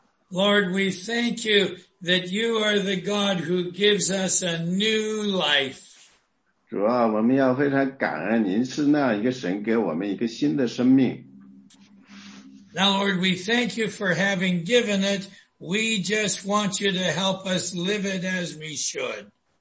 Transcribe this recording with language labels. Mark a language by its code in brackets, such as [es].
[en] Lord, we thank you that you are the God who gives us a new life. [zh] 主啊，我们要非常感恩您是那样一个神，给我们一个新的生命。 [en] Now, Lord, we thank you for having given it. We just want you to help us live it as we should.